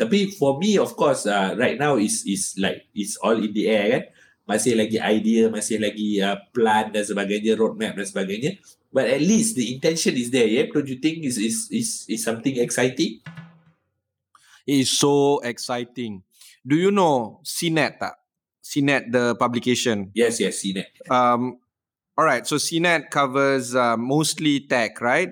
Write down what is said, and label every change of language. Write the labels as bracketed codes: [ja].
[en] Tapi for me, of course, right now is all in the air, kan? [ms] Masih lagi idea, masih lagi plan dan sebagainya, roadmap dan sebagainya. [en] But at least the intention is there, yeah? Don't you think is something exciting? It is so exciting. Do you know CNET tak? CNET the publication? Yes, CNET. Alright, so CNET covers mostly tech, right?